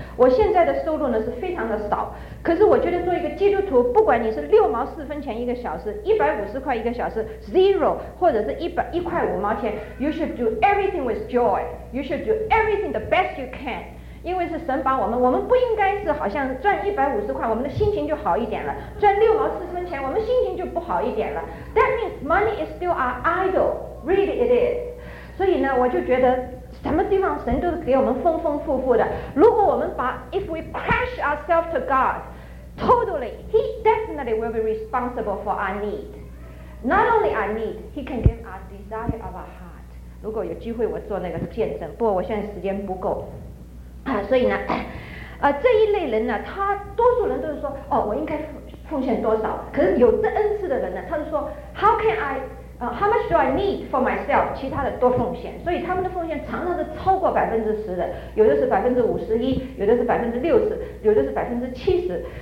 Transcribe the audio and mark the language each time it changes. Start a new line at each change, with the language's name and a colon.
Chinese: 我现在的收入呢是非常的少，可是我觉得做一个基督徒，不管你是6.4一个小时，150块一个小时 zero， 或者是1.5
English: you should do everything with joy， you should do everything the best you can。
Chinese: 因为是神帮我们，我们不应该是好像赚150块我们的心情就好一点了，赚6.4我们心情就不好一点了。
English: That means money is still our idol， really it is。
Chinese: 所以呢我就觉得什么地方神都给我们丰丰富富的，如果我们把
English: if we crash ourselves to God， totally, he definitely will be responsible for our need. Not only our need, he can give our desire of our heart.
Chinese: 如果有机会我做那个见证，不过我现在时间不够。所以呢，这一类人呢，他多数人都是说，哦，我应该奉献多少？可是有这恩赐的人呢，他就说
English: ，How can I？ How much do I need for myself?
Chinese: 其他的多奉献，所以他们的奉献常常是超过10%的，有的是51%，有的是60%，有的是70%。